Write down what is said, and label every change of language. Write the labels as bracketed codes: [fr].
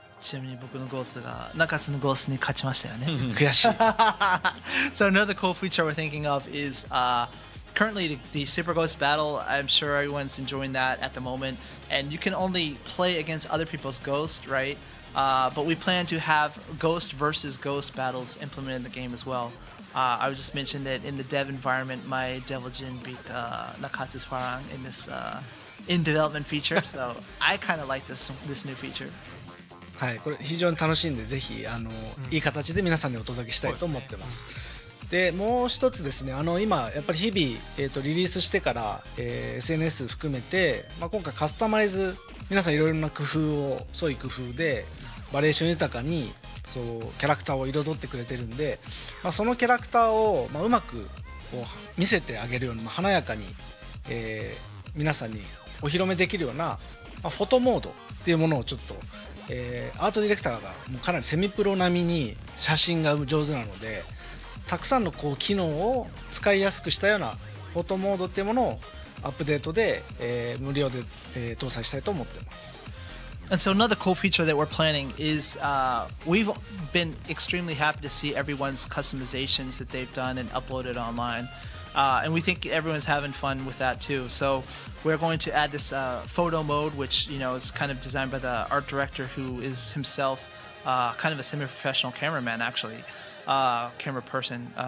[ja] ちなみに僕のゴーストが中津のゴーストに勝ちましたよね。悔しい。 [en] So another cool feature we're thinking of is currently the Super Ghost Battle. I'm sure everyone's enjoying that at the moment. And you can only play against other people's ghosts, right? But we plan to have ghost versus ghost battles implemented in the game as well. I was just mentioning that in the dev environment, my Devil Jin beat Nakatsu's Farang in thisIn development feature, so I kind of like this new feature. [ja] はい、これ非常に楽しいんで、ぜひいい形で皆さんにお届けしたいと思ってます。で、もう一つですね、今やっぱり日々リリースしてから、SNS 含めて、まあ、今回カスタマイズ、皆さんいろいろな工夫を創意工夫でバリエーション豊かにそうキャラクターを彩ってくれてるんで、まあ、そのキャラクターを、まあ、うまくこう見せてあげるように、まあ、華やかに、皆さんにお披露目できるようなフォトモードっていうものをちょっと、アートディレクターがもうかなりセミプロ並みに写真が上手なのでたくさんのこう機能を使いやすくしたようなフォトモードっていうものをアップデートで、無料で、搭載したいと思ってます。 [en] And so another cool feature that we're planning is we've been extremely happy to see everyone's customizations that they've done and uploaded onlineAnd we think everyone's having fun with that too. So we're going to add this photo mode, which you know is kind of designed by the art director, who is himself kind of a semi-professional cameraman, actually, camera person.